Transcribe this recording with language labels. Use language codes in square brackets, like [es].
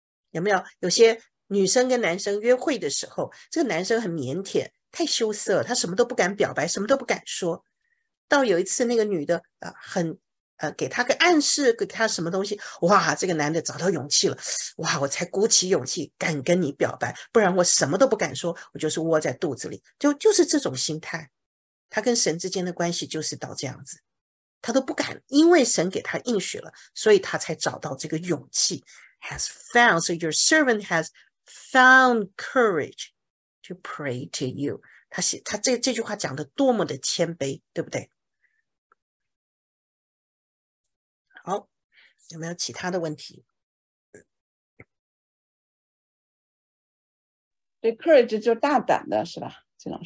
[zh] 有没有有些女生跟男生约会的时候，这个男生很腼腆太羞涩，他什么都不敢表白，什么都不敢说，到有一次那个女的、很给他个暗示，给他什么东西，哇，这个男的找到勇气了，哇，我才鼓起勇气敢跟你表白，不然我什么都不敢说，我就是窝在肚子里。就是这种心态，他跟神之间的关系就是到这样子，他都不敢，因为神给他应许了，所以他才找到这个勇气。 [en] has found， so your servant has found courage to pray to you。 [zh] 他这句话讲的多么的谦卑，对不对？好，有没有其他的问题？对 ，courage 就大胆的是吧？这种